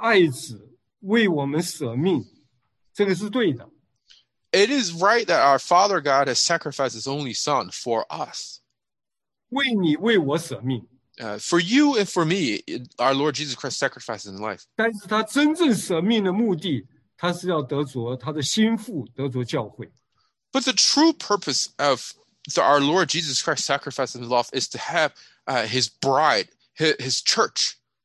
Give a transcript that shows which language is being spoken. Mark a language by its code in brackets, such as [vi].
[zh] 父神牺牲他的爱子为我们舍命。 [en] It is right that our Father God has sacrificed His only Son for us. [zh] 为你为我舍命, [en] for you and for me, our Lord Jesus Christ sacrificed in life. [zh] 但是他真正舍命的目的,他是要得着他的心腹,得着教会。 [en] But the true purpose of our Lord Jesus Christ sacrificing in love is to have His bride, His church.